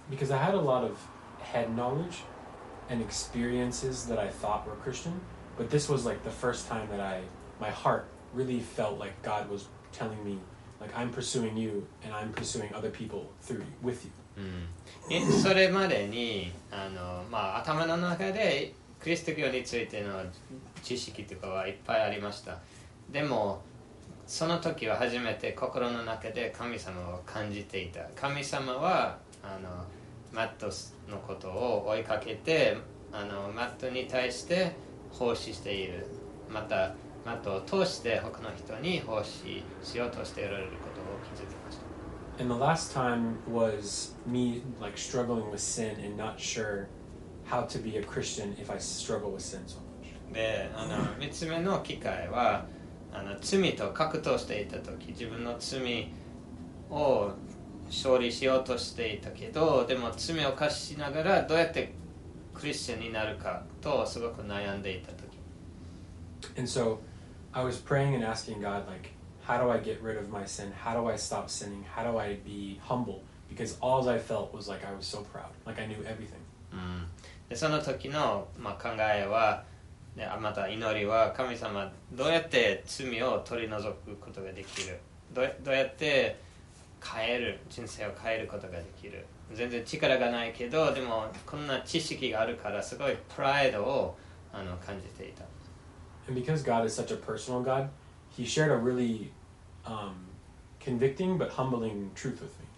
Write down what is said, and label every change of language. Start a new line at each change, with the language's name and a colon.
English: I had a lot of head knowledge and experiences that I thought were Christian, but this was like the first time that my heart really felt like God was telling me, like, I'm pursuing you and I'm pursuing other people through you, with you.
Japanese: それまでに、頭の中でキリスト教についての知識とかはいっぱいありました。でも、その時は初めて心の中で神様を感じていた。神様はマットのことを追いかけて、マットに対して奉仕している。また、マットを通して他の人に奉仕しようとしておられることを気づきました。
English: And the last time was me like struggling with sin and not sure how to be a Christian if I struggle with sin so much.
Japanese: で、3つ目の機会は、罪と格闘していた時、自分の罪を勝利しようとしていたけど、でも罪を犯しながらどうやってクリスチャンになるかとすごく悩んでいた時。
English: And so I was praying and asking God like,How do I get rid of my sin? How do I stop sinning? How do I be humble? Because all I felt was like I was so proud. Like I knew everything.
Japanese: で、その時の、考えは、また祈りは、神様、どうやって罪を取り除くことができる？どうやって変える？人生を変えることができる？全然力がないけど、でもこんな知識があるから、すごいプライドを感じていた。
English: And because God is such a personal God,He shared a really convicting but humbling truth with me.